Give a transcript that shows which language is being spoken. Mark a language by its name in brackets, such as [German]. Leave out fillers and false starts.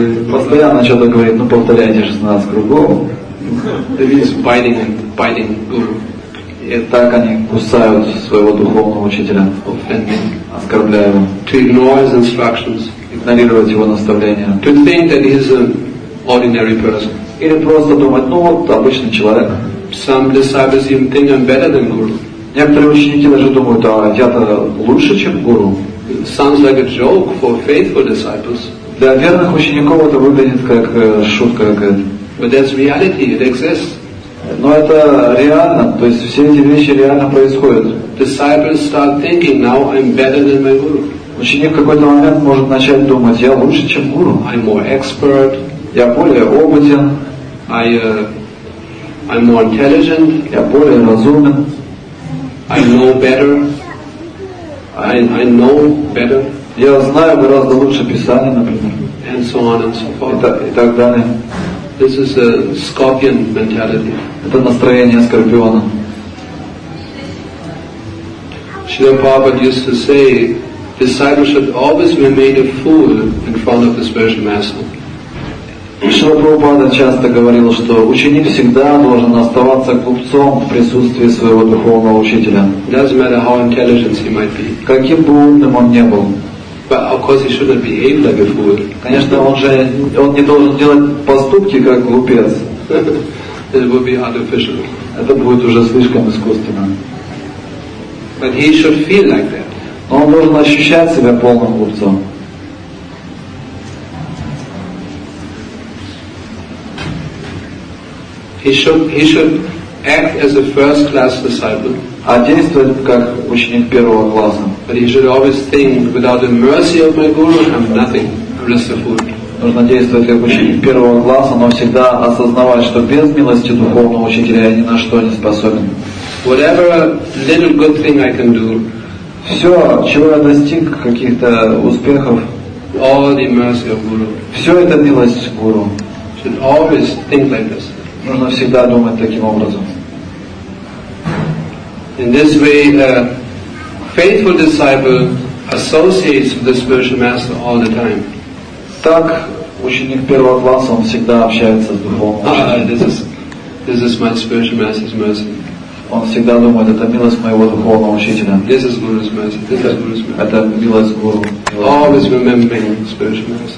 [Russian] Постоянно что-то говорит. Ну повторяйте 16 кругов. [English] It means biting guru. [Russian] И так они кусают своего духовного учителя. Оскорбляя его. [English] To ignore his instructions. [Russian] Игнорировать его наставления. [English] To think that he is an ordinary person. [Russian] Или просто думать, ну вот обычный человек. [English] Some disciples even think I'm better than guru. [Russian] Некоторые ученики даже думают, а я-то лучше, чем гуру. [English] It sounds like a joke for faithful disciples. [Russian] Для верных учеников это выглядит как шутка какая-то. [English] But that's reality, it exists. [Russian] Но это реально, то есть все эти вещи реально происходят. [English] Disciples start thinking, now I'm better than my guru. [Russian] Ученик в какой-то момент может начать думать, я лучше, чем гуру. [English] I'm more expert. [Russian] Я более опытен. [English] I'm more intelligent. [Russian] Я более разумен. [English] I know better. I know better. [Russian] Я знаю гораздо лучше Писание, например. [English] And so on and so forth. [Russian] И так далее. [English] This is a scorpion mentality. [Russian] Это настроение скорпиона. [English] Srila Prabhupada used to say, disciple should always be made a fool in front of the spiritual master. [Russian] Шрила Прабхупада часто говорил, что ученик всегда должен оставаться глупцом в присутствии своего духовного учителя. [English] Doesn't matter how intelligent he might be. [Russian] Каким бы умным он ни был. [English] But of course he shouldn't behave like a fool. [Russian] Конечно, он не должен делать поступки как глупец. [English] It would be artificial. [Russian] Это будет уже слишком искусственно. [English] But he should feel like that. [Russian] Но он должен ощущать себя полным глупцом. [English] He should act as a first-class disciple. [Russian] А действовать как ученик первого класса. [English] But he should always think, without the mercy of my guru, I'm nothing. I'm just a fool. [Russian] Нужно действовать как ученик первого класса, но всегда осознавать, что без милости духовного учителя я ни на что не способен. [English] Whatever little good thing I can do. [Russian] Все, чего я достиг каких-то успехов. [English] All the mercy of guru. [Russian] Все это милость гуру. [English] Should always think like this. [Russian] Нужно всегда думать таким образом. [English] In this way, a faithful disciple associates with the spiritual master all the time. [Russian] Так ученик первого класса он всегда общается с духовным. [English] This is my spiritual master's mercy. [Russian] Он всегда думает, это милость моего духовного учителя. [English] This is guru's mercy. This is guru's mercy. [Russian] Это милость гуру. [English] Always remembering spiritual master.